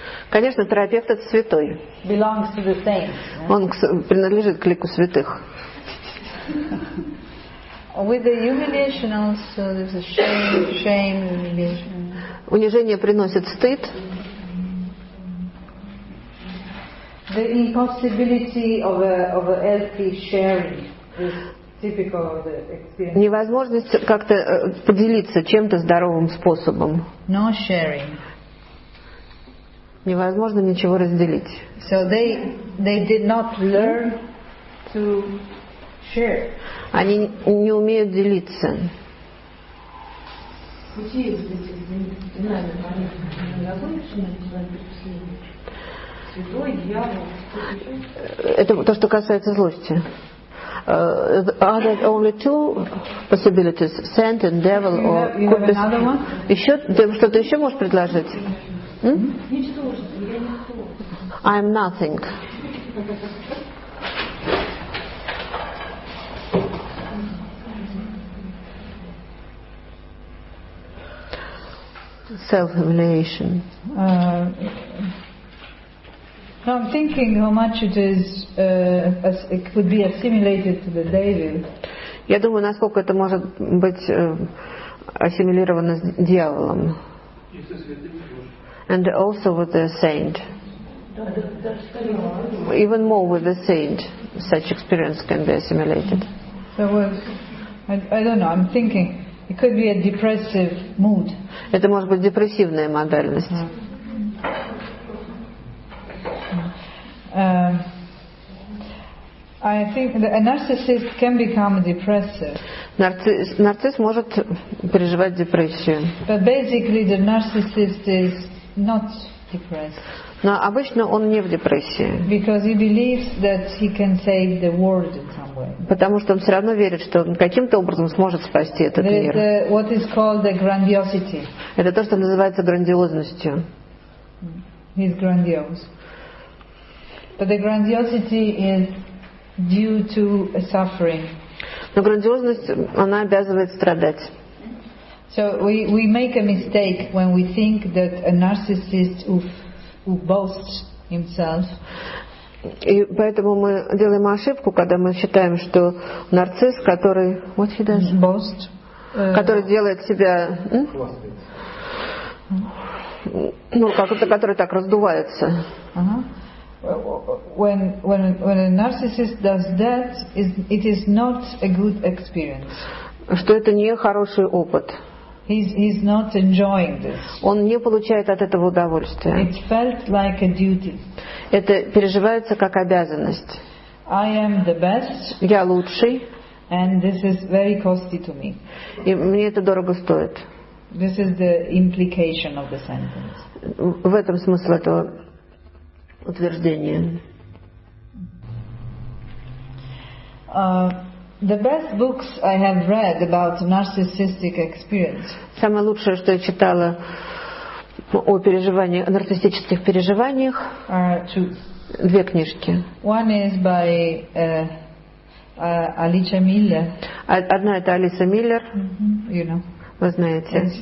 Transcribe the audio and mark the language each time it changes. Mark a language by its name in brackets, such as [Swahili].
[Russian] Конечно, терапевт это святой. [English] Belongs to the saints. [Russian] Он принадлежит к лику святых. [English] With the humiliation also, there's a shame humiliation. [Russian] Унижение приносит стыд. [English] The impossibility of a healthy sharing is typical of the experience. [Russian] Невозможность как-то поделиться чем-то здоровым способом. [English] No sharing. [Russian] Невозможно ничего разделить. [English] So they did not learn to share. [Russian] Они не умеют делиться. Это то, что касается злости. [English] Are there only two possibilities? Saint and devil or [Russian] еще ты что-то еще можешь предложить? [English] I'm nothing. Self-humiliation. So I'm thinking how much it is as it could be assimilated to the devil. [Russian] Я думаю, насколько это может быть ассимилировано с дьяволом. [English] And also with the saint. Even more with the saint, such experience can be assimilated. So I don't know. I'm thinking it could be a depressive mood. [Russian] Это может быть депрессивная модальность. [English] I think that a narcissist can become depressive. [Russian] Нарцисс может переживать депрессию. [English] But basically the narcissist is not depressed. [Russian] Но обычно он не в депрессии. [English] Because he believes that he can save the world in some way. [Russian] Потому что он все равно верит, что он каким-то образом сможет спасти этот мир. [English] What is called the grandiosity. [Russian] Это то, что называется грандиозностью. [English] He's grandiose. But the grandiosity is due to a suffering. [Russian] Но грандиозность она обязывает страдать. [English] So we make a mistake when we think that a narcissist who boasts himself. [Russian] И поэтому мы делаем ошибку, когда мы считаем, что нарцисс, который [English] what he does, boast, [Russian] который делает себя ну как-то, который так раздувается. [English] When a narcissist does that, it is not a good experience. [Russian] Что это не хороший опыт. [English] He's not enjoying this. [Russian] Он не получает от этого удовольствия. [English] It felt like a duty. [Russian] Это переживается как обязанность. [English] I am the best. [Russian] Я лучший. [English] And this is very costly to me. [Russian] И мне это дорого стоит. [English] This is the implication of the sentence. [Russian] В этом смысл этого утверждения. [English] The best books I have read about narcissistic experience. [Russian] Самое лучшее, что я читала о переживаниях, о нарциссических переживаниях, две книжки. [English] One is by Alicia Miller. [Russian] Одна это Алиса Миллер. [English] You know. [Russian] Вы знаете.